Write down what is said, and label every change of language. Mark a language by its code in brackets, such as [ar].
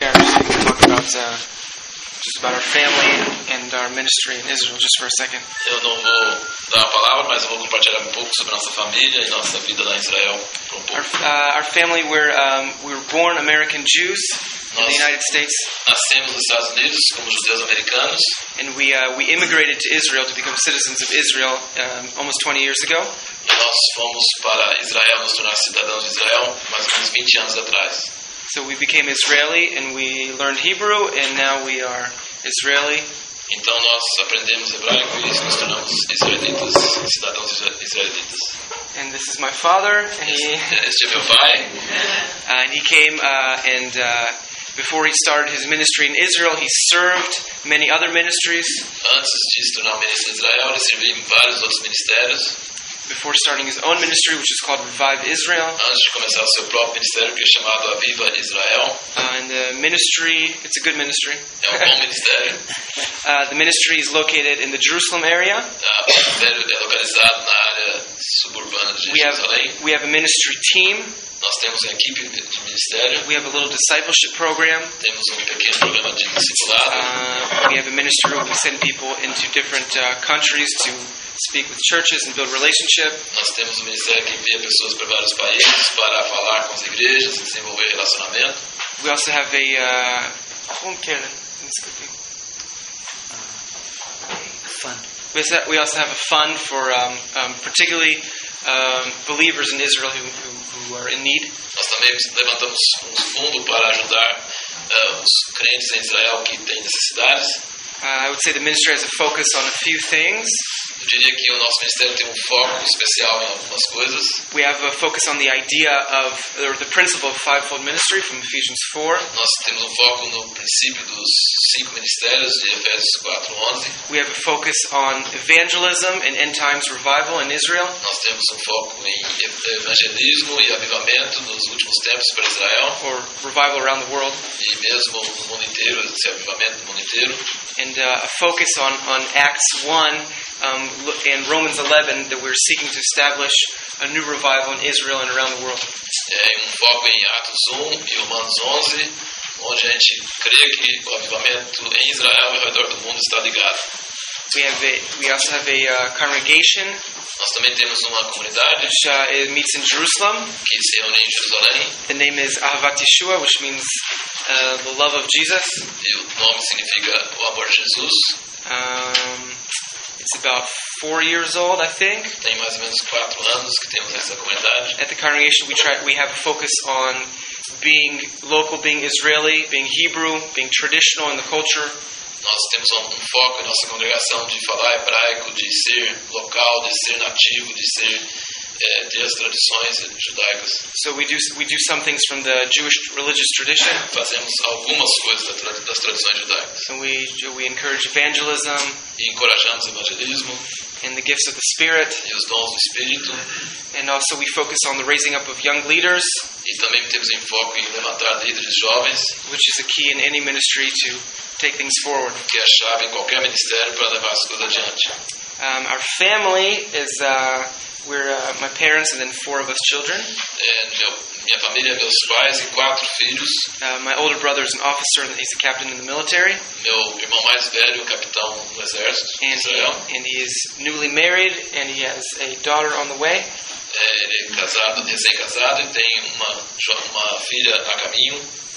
[en] and just about our family and our ministry in Israel, just for a second. [pt] Eu não vou dar a palavra, mas eu vou compartilhar um pouco sobre nossa família e nossa vida lá em Israel. [en] Our family, we're born American Jews. [pt] Nós [en] in the United States. [pt] Nascemos nos Estados Unidos como judeus americanos. [en] And we immigrated to Israel to become citizens of Israel almost 20 years ago. [pt] E nós fomos para Israel, nos tornamos cidadãos de Israel, mais ou menos 20 anos atrás. [en] So we became Israeli and we learned Hebrew and now we are Israeli. [pt] Então nós aprendemos hebraico e nos tornamos israelitas, cidadãos israelitas. [en] And this is my father. [pt] Este é meu pai. [en] And he came and before he started his ministry in Israel, he served many other ministries. [pt] Antes de se tornar ministro em Israel, ele serviu em vários outros ministérios. [en] Before starting his own ministry, which is called Revive Israel. [pt] Antes de começar o seu próprio ministério, que é chamado Aviva Israel. [en] And the ministry, it's a good ministry. [pt] É um bom ministério. [en] The ministry is located in the Jerusalem area. [pt] O ministério é localizado na área suburbana de Jerusalém. [en] We have a ministry team. [pt] Nós temos uma equipe de ministério. [en] We have a little discipleship program. [pt] Temos um pequeno programa de discipulado. [en] We have a ministry where we send people into different countries to speak with churches and build relationship. [pt] Nós temos um ministério que envia pessoas para vários países para falar com as igrejas e desenvolver relacionamento. [en] We also have a home care. [pt] Desculpe. [en] Fund. We also have a fund for particularly believers in Israel who are in need. [pt] Nós também levantamos um fundo para ajudar os crentes em Israel que têm necessidades. [en] I would say the ministry has a focus on a few things. [pt] Eu diria que o nosso ministério tem um foco especial em algumas coisas. [en] We have a focus on the idea of or the principle of fivefold ministry from Ephesians 4. [pt] Nós temos um foco no princípio dos cinco ministérios de Efésios 4:11. [en] We have a focus on evangelism and end times revival in Israel. [pt] Nós temos um foco em evangelismo e avivamento nos últimos tempos para Israel. [en] Or revival around the world. [pt] E mesmo no mundo inteiro, esse avivamento no mundo inteiro. [en] And a focus on Acts 1. In Romans 11, that we're seeking to establish a new revival in Israel and around the world. [pt] Um foco em Atos 1 e Romanos 11, onde a gente crê que o avivamento em Israel e ao redor do mundo está ligado. [en] We also have a congregation. [pt] Nós também temos uma comunidade. [en] Which it meets in Jerusalem. [pt] Que se reúne em Jerusalém. [en] The name is Ahavat Yeshua, which means the love of Jesus. [pt] E o nome significa o amor de Jesus. [en] It's about 4 years old, I think. [pt] Tem mais ou menos 4 anos que temos essa comunidade. [en] At the congregation, we have a focus on being local, being Israeli, being Hebrew, being traditional in the culture. [pt] Nós temos um foco em nossa congregação de falar hebraico, de ser local, de ser nativo, de ser de as tradições judaicas. [en] So we do some things from the Jewish religious tradition. [pt] Fazemos algumas coisas das tradições judaicas. [en] And we encourage evangelism. [pt] E encorajamos evangelismo. [en] And the gifts of the Spirit. [pt] E os dons do Espírito. [en] And also we focus on the raising up of young leaders. [pt] E também temos um foco em levantar líderes jovens. [en] Which is a key in any ministry to take things forward. [pt] Que é a chave em qualquer ministério para levar as coisas adiante. [en] Our family is my parents and then 4 of us children. [pt] Minha família, meus pais e 4 filhos. [en] My older brother is an officer and he's a captain in the military. [pt] Meu irmão mais velho é um capitão no exército. [en] And he is newly married and he has a daughter on the way. [pt] Ele é casado, recém-casado e tem uma filha a caminho.